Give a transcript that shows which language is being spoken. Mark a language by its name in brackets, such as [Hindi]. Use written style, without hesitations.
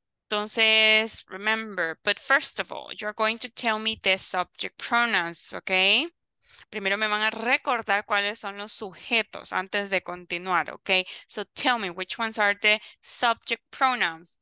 [English] Entonces, remember, but first of all, you're going to tell me the subject pronouns, ok. [Spanish] Primero me van a recordar cuáles son los sujetos antes de continuar, ok. [English] So tell me, which ones are the subject pronouns?